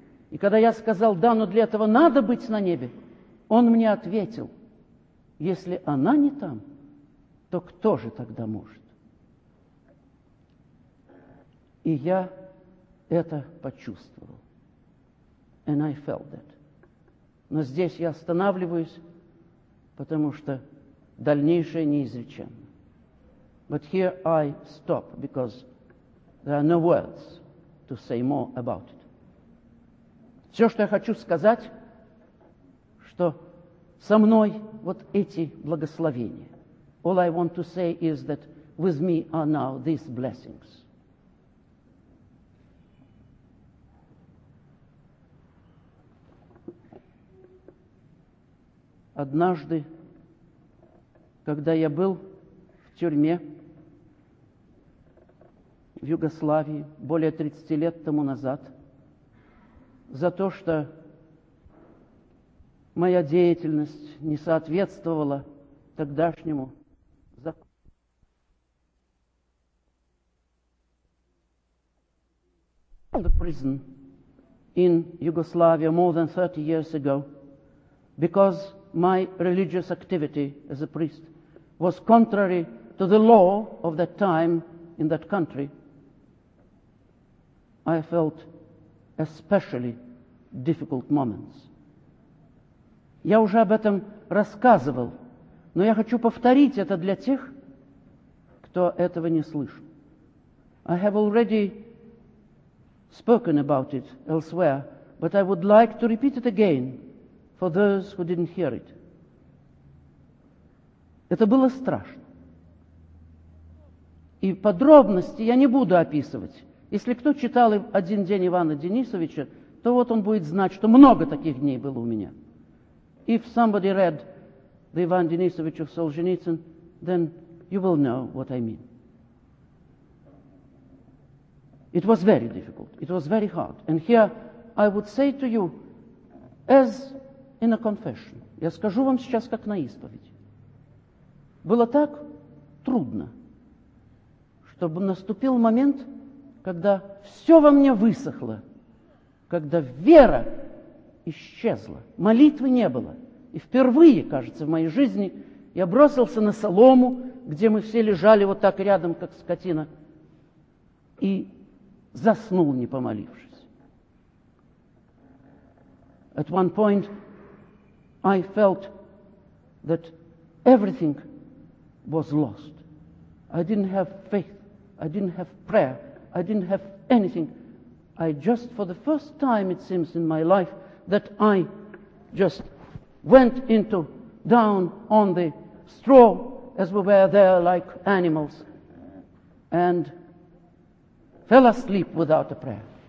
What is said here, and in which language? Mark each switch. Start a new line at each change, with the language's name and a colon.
Russian: И когда я сказал: да, но для этого надо быть на небе, он мне ответил: если она не там, то кто же тогда может? И я это почувствовал.
English: And I felt that.
Russian: Но здесь я останавливаюсь, потому что дальнейшее неизреченно.
English: But here I stop, because there are no words to say more about it.
Russian: Все, что я хочу сказать, что со мной вот эти благословения.
English: All I want to say is that with me are now these blessings.
Russian: Однажды, когда я был в тюрьме в Югославии более 30 лет тому назад, за то, что моя деятельность не соответствовала тогдашнему закону.
English: The prison in Yugoslavia more than 30 years ago, because my religious activity as a priest was contrary to the law of that time in that country, I felt especially difficult moments.
Russian: Я уже об этом рассказывал, но я хочу повторить это для тех, кто этого не слышал.
English: I have already spoken about it elsewhere, but I would like to repeat it again for those who didn't hear it.
Russian: Это было страшно. И подробности я не буду описывать. Если кто читал «Один день Ивана Денисовича», то вот он будет знать, что много таких дней было у меня.
English: If somebody read the Ivan Denisovich of Solzhenitsyn, then you will know what I mean. It was very difficult. It was very hard. And here I would say to you, as in a confession,
Russian: я скажу вам сейчас как на исповедь. Было так трудно, чтобы наступил момент, когда все во мне высохло, когда вера исчезла, молитвы не было. И впервые, кажется, в моей жизни я бросился на солому, где мы все лежали вот так рядом, как скотина, и заснул, не помолившись.
English: At one point I felt that everything was lost. I didn't have faith, I didn't have prayer, I didn't have anything. I just, for the first time, it seems, in my life, that I just went into down on the straw as we were there like animals and fell asleep without a prayer.